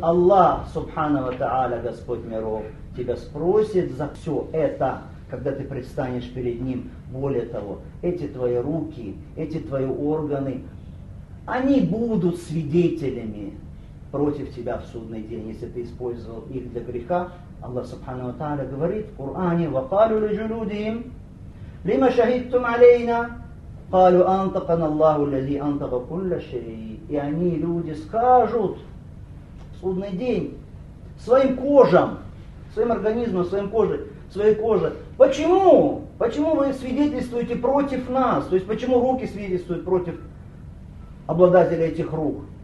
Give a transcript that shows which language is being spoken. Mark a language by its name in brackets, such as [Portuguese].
[Russian] Аллах, субхана ва тааля, Господь миров, тебя спросит за все это, когда ты предстанешь перед Ним. Более того, эти твои руки, эти твои органы, они будут свидетелями против тебя в судный день, если ты использовал их для греха. Аллах Субхана ва тааля говорит в Коране: [Arabic] وَقَالُوا لِجُلُودِهِمْ لِمَ شَهِدْتُمْ عَلَيْنَا قَالُوا أَنْطَقَنَا اللَّهُ الَّذِي أَنْطَقَ كُلَّ شَيْءٍ. [Russian] И они, люди, скажут в судный день своим кожам, своим организмом, своей коже: Почему вы свидетельствуете против нас? То есть почему руки свидетельствуют против обладателя этих рук?